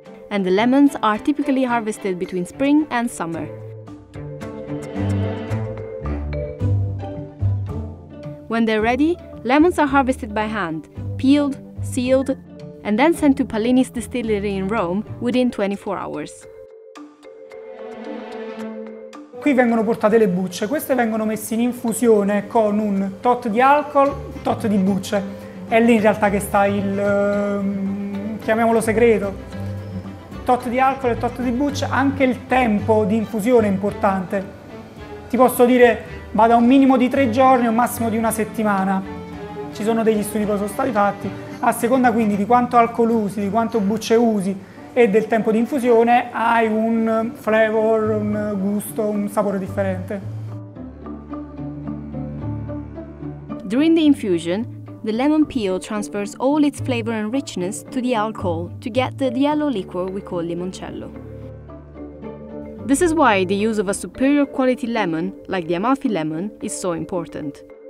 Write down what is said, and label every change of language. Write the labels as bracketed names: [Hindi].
[English] And the lemons are typically harvested between spring and summer. When they're ready, lemons are harvested by hand, peeled, sealed, and then sent to Pallini's distillery in Rome within 24 hours. [Italian] Qui vengono portate le bucce, queste vengono messe in infusione con un tot di alcol, tot di bucce. È lì in realtà che sta il, chiamiamolo segreto, tot di alcol e tot di bucce, anche il tempo di infusione è importante. Ti posso dire va da un minimo di 3 giorni o un massimo di una settimana. Ci sono degli studi che sono stati fatti, a seconda quindi di quanto alcol usi, di quanto bucce usi, e del tempo di infusione hai un flavor, un gusto, un sapore differente. [English] During the infusion, the lemon peel transfers all its flavor and richness to the alcohol to get the yellow liquor we call limoncello. This is why the use of a superior quality lemon, like the Amalfi lemon, is so important.